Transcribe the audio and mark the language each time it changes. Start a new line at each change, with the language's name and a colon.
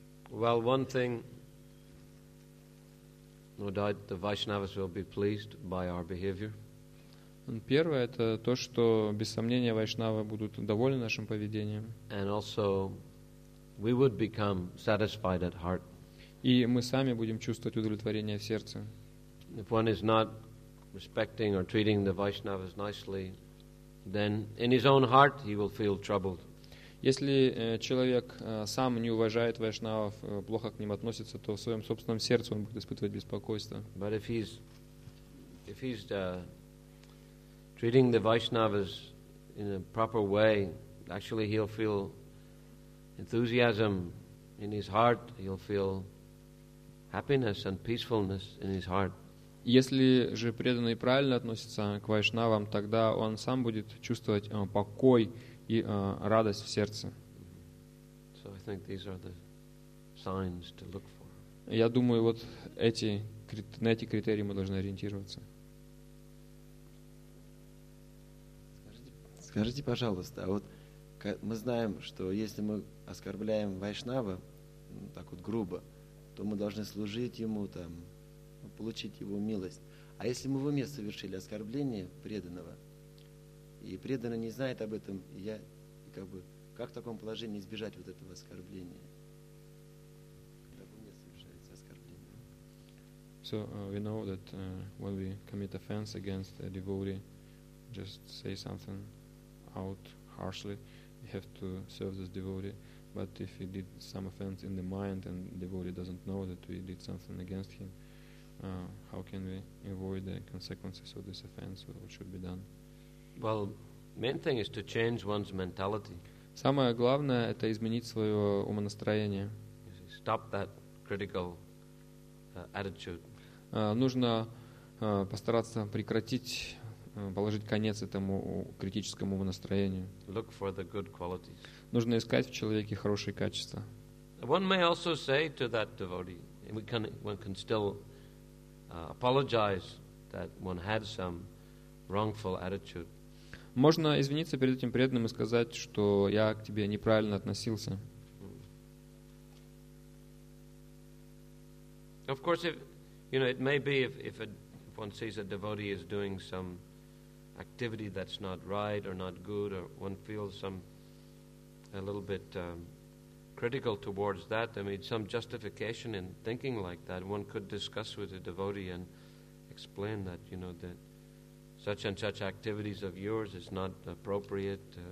English: Well, one thing, no doubt, the Vaishnavas will be pleased by our behavior.
Russian: Первое это то, что без сомнения Вайшнавы будут довольны нашим поведением.
English: And also, we would become satisfied at heart.
Russian: И мы сами будем чувствовать удовлетворение в сердце.
English: If one is not respecting or treating the Vaishnavas nicely, then in his own heart he will feel troubled.
Russian: Если человек сам не уважает вайшнавов, плохо к ним относится, то в своем собственном сердце он будет испытывать беспокойство.
English: But if he's treating the Vaishnavas in a proper way, actually he'll feel enthusiasm in his heart, he'll feel happiness and peacefulness in his heart.
Russian: Если же преданный правильно относится к вайшнавам, тогда он сам будет чувствовать покой и радость в сердце.
English: So I think these are the signs to look for.
Russian: Я думаю, вот на эти критерии мы должны ориентироваться. Скажите, пожалуйста, а вот мы знаем, что если мы оскорбляем вайшнава, ну, так вот грубо, то мы должны служить ему, там, получить его милость. А если мы в уме совершили оскорбление преданного, и преданный не знает об этом, я как бы, как в таком положении избежать вот этого оскорбления? Как у меня совершается оскорбление?
English: So we know that when we commit offense against a devotee, just say something out harshly, we have to serve this devotee. But if he did some offense in the mind and the devotee doesn't know that we did something against him, how can we avoid the consequences of this offense? What should be done? Well, main thing is to change one's mentality.
Russian: Самое главное это изменить своё умонастроение.
English: Stop that critical attitude.
Russian: Нужно постараться прекратить положить конец этому критическому умонастроению.
English: Look for the good qualities.
Russian: Нужно искать в человеке хорошие качества.
English: One may also say to that devotee, one can still apologize that one had some wrongful attitude.
Russian: Можно извиниться перед этим преданным и сказать, что я к тебе неправильно относился.
English: Of course, if, you know, it may be if one sees a devotee is doing some activity that's not right or not good, or one feels some a little bit critical towards that, I mean, some justification in thinking like that, one could discuss with a devotee and explain that, you know, that such and such activities of yours is not appropriate.